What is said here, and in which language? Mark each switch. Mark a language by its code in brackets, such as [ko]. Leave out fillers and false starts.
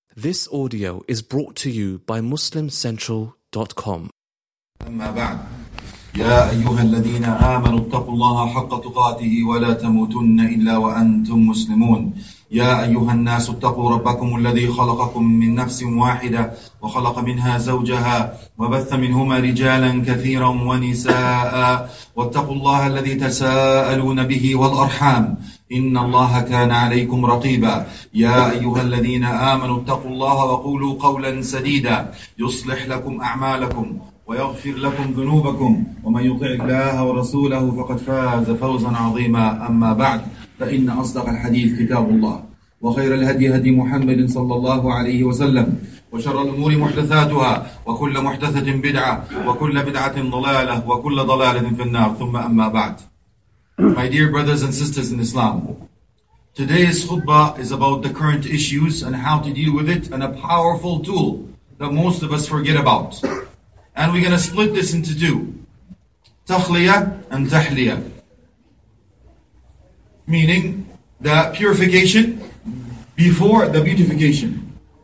[en] This audio is brought to you by MuslimCentral.com. [ar] أما بعد يا أيها الذين آمنوا اتقوا الله حق تقاته ولا تموتن إلا وأنتم مسلمون يا أيها الناس اتقوا ربكم الذي خلقكم من نفس واحدة وخلق منها زوجها وبث منهما رجالا كثيرا ونساء واتقوا الله الذي تساءلون به والأرحام إن الله كان عليكم رقيبا يا أيها الذين آمنوا اتقوا الله وقولوا قولا سديدا يصلح لكم أعمالكم ويغفر لكم ذنوبكم ومن يطع الله ورسوله فقد فاز فوزا عظيما أما بعد فإن أصدق الحديث كتاب الله وخير الهدي هدي محمد صلى الله عليه وسلم وشر الأمور محدثاتها وكل محدثة بدعة وكل بدعة ضلالة وكل ضلالة في النار ثم أما بعد. [en] My dear brothers and sisters in Islam, today's khutbah is about the current issues and how to deal with it, and a powerful tool that most of us forget about. And we're going to split this into two, tahliyah and tahliyah, meaning the purification before the beautification.